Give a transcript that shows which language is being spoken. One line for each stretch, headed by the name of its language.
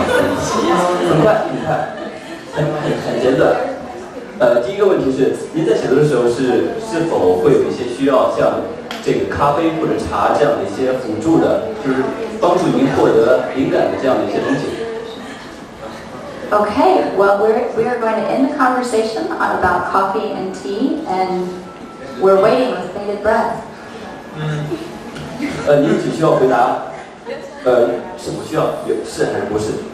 Chinese: 很简短。第一个问题是，您在写作的时候是否会有一些需要像这个咖啡或者茶这样的一些辅助的，就是帮助您获得灵感的这样的一些东西？
English: Okay, well, we are going to end the conversation about coffee and tea, and we're waiting with bated breath.
Chinese: 您只需要回答，什么需要，是还是不是？